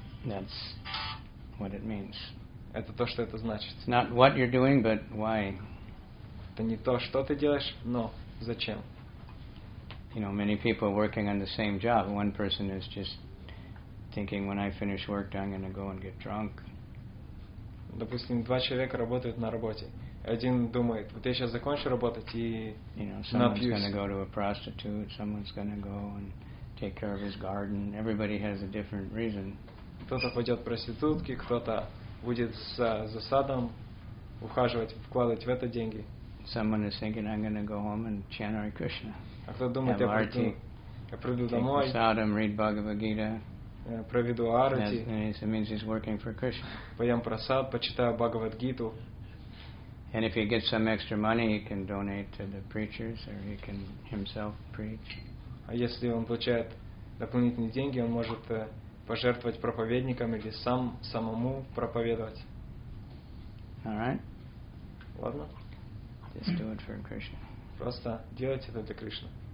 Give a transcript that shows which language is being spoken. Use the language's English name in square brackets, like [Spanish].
[English] That's what it means. [Russian] Это то, что это значит. [English] It's not what you're doing, but why. [Russian] Это не то, что ты делаешь, но зачем. [English] You know, many people are working on the same job. One person is just thinking, when I finish work, I'm going to go and get drunk. [Russian] Допустим, два человека работают на работе. Один думает, вот я сейчас закончу работать и напьюсь. [English] You know, someone's going to go to a prostitute, someone's going to go and take care of his garden. Everybody has a different reason. [Russian] Кто-то пойдет проститутки, кто-то будет за садом ухаживать, вкладывать в это деньги. [English] Someone is thinking, I'm going to go home and chant Hare Krishna. [Russian] А кто думает, я приду домой, [English] take prasadam, read Bhagavad Gita. [Russian] Проведу арати. [English] Yes, it means he's working for Krishna. [Russian] Поем прасад, почитаю Бхагавад Гиту. [English] And if he gets some extra money, he can donate to the preachers, or he can himself preach. [Russian] А если он получает дополнительные деньги, он может пожертвовать проповедникам или самому проповедовать. [English] All right. [Russian] Ладно. [English] Just do it for Krishna. [Russian] Просто делайте это для Кришны.